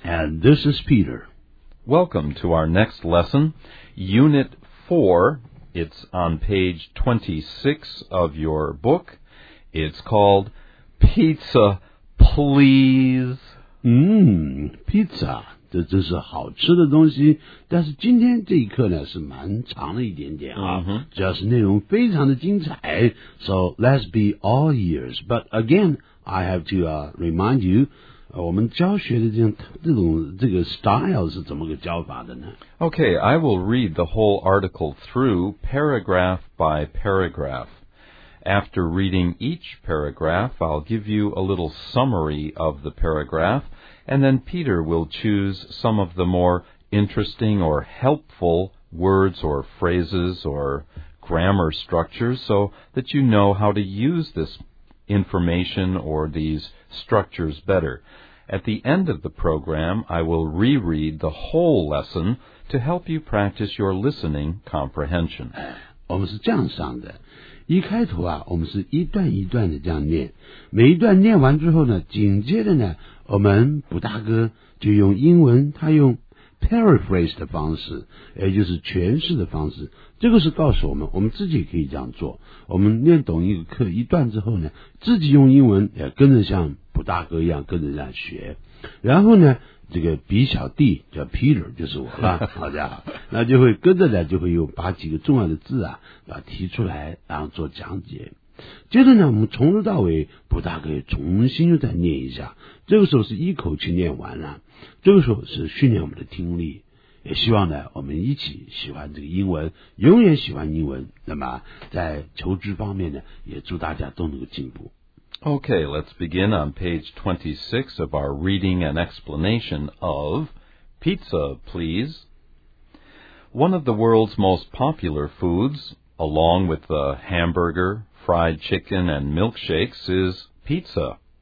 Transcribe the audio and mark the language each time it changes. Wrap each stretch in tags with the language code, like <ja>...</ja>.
<en>And this is Peter. Welcome to our next lesson, Unit 4. It's on page 26 of your book. It's called Pizza, Please.</en> <zh>Pizza. 这是好吃的东西。但是今天这一课呢是蛮长了一点点啊。主要是内容非常的精彩。</zh> <en>So, let's be all ears. But again, I have to, remind you,</en> <zh>我们教学的这个 style 是怎么个教法的呢</zh> <en>？Okay, I will read the whole article through paragraph by paragraph. After reading each paragraph, I'll give you a little summary of the paragraph, and then Peter will choose some of the more interesting or helpful words or phrases or grammar structures so that you know how to use this information or these structures better. At the end of the program, I will reread the whole lesson to help you practice your listening comprehension.</en> <zh>我们是这样上的，一开头啊，我们是一段一段的这样念，每一段念完之后呢，紧接着呢，我们卜大哥就用英文，他用 paraphrase 的方式，也就是诠释的方式，这个是告诉我们，我们自己可以这样做。我们念懂一个课一段之后呢，自己用英文也跟着像。不大哥一样跟着人家学然后呢这个比小弟叫 Peter 就是我了好家伙那就会跟着呢就会有把几个重要的字啊把提出来然后做讲解接着呢我们从头到尾不大哥重新又再念一下这个时候是一口气念完了这个时候是训练我们的听力也希望呢我们一起喜欢这个英文永远喜欢英文那么在求知方面呢也祝大家都能够进步</zh> <en>Okay, let's begin on page 26 of our reading and explanation of Pizza, Please. One of the world's most popular foods, along with the hamburger, fried chicken, and milkshakes, is pizza.</en>